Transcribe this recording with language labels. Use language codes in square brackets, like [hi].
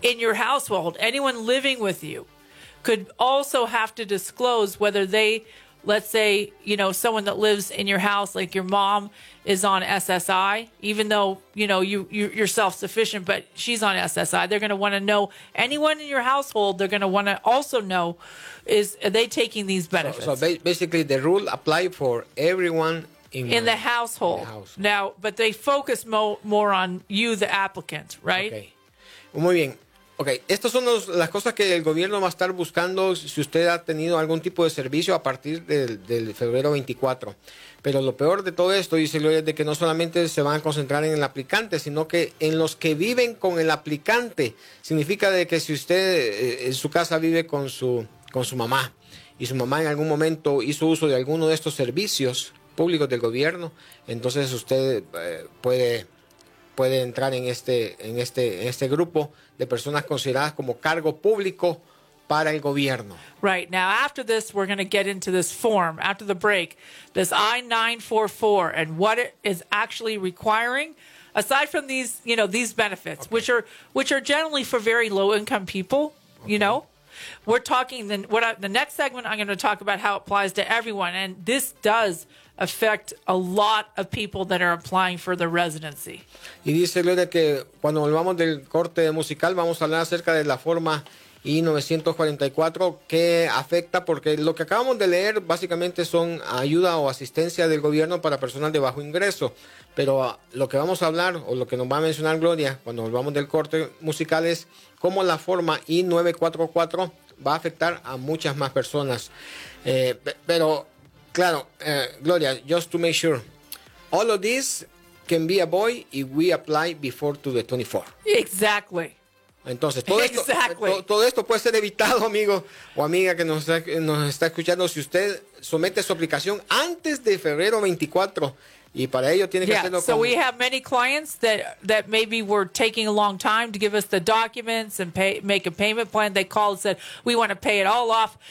[en] In your household, anyone living with you could also have to disclose whether they, let's say, you know, someone that lives in your house, like your mom is on SSI, even though, you know, you're self-sufficient, but she's on SSI. They're going to want to know anyone in your household. They're going to want to also know, are they taking these benefits? So basically the rule apply for everyone In the household. Now, but they focus more on you, the applicant, right? [es] Okay. Muy bien. Okay. Estas son las cosas que el gobierno va a estar buscando si usted ha tenido algún tipo de servicio a partir del febrero 24. Pero lo peor de todo esto, dice Gloria, es de que no solamente se van a concentrar en el aplicante, sino que en los que viven con el aplicante. Significa de que si usted en su casa vive con su mamá y su mamá en algún momento hizo uso de alguno de estos servicios públicos del gobierno, entonces usted puede entrar en este grupo de personas consideradas como cargo público para el gobierno. [en] Right. Now, after this, we're going to get into this form, after the break, this I-944 and what it is actually requiring, aside from these, you know, these benefits, okay. which are generally for very low-income people, okay. You know. We're talking, the next segment, I'm going to talk about how it applies to everyone, and this does affect a lot of people that are applying for the residency. [es] Y dice Gloria que cuando volvamos del corte musical vamos a hablar acerca de la forma I-944 que afecta, porque lo que acabamos de leer básicamente son ayuda o asistencia del gobierno para personas de bajo ingreso, pero lo que vamos a hablar o lo que nos va a mencionar Gloria cuando volvamos del corte musical es cómo la forma I-944 va a afectar a muchas más personas. Pero claro, [en] Gloria, just to make sure, all of this can be a boy if we apply before to the 24. Exactly. [es] Entonces, todo esto puede ser evitado, amigo o amiga que nos está escuchando, si usted somete su aplicación antes de febrero 24, y para ello tiene que hacerlo. [en] Yeah, so we have many clients that maybe were taking a long time to give us the documents and make a payment plan. They called and said, we want to pay it all off.